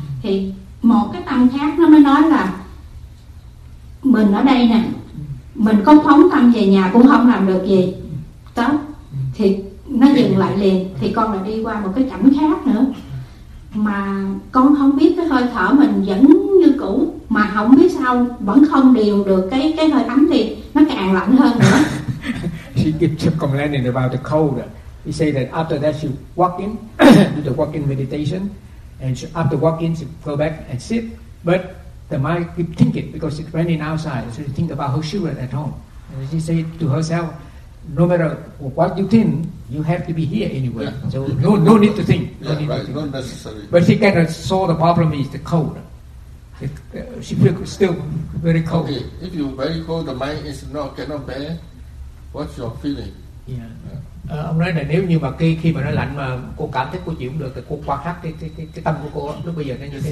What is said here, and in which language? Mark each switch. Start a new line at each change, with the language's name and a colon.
Vietnamese: Thì một cái tâm khác nó mới nói là mình ở đây nè, mình có phóng tâm về nhà cũng không làm được gì đó. Thì nó dừng lại liền. Thì con lại đi qua một cái cảnh khác nữa mà con không biết, cái hơi thở mình vẫn như cũ mà không biết sao vẫn không điều được cái hơi ấm, thì nó càng lạnh hơn nữa.
English: She keeps complaining about the cold. She said that after that she walk in, do the walk in meditation. And she, after walking, she go back and sit. But the mind keep thinking because it's raining outside. So she think about her children at home. And she say to herself, no matter what you think, you have to be here anyway. Yeah. So no need to think. Not necessary. But she kind of saw the problem is the cold. She feel still very cold. Okay. If you're very cold, the mind is not cannot bear. What's your feeling? Yeah.
Vietnamese: Ông nói là nếu như mà khi mà nó lạnh mà cô cảm thấy cô chịu không được thì cô quan sát cái tâm của cô lúc bây giờ nó như thế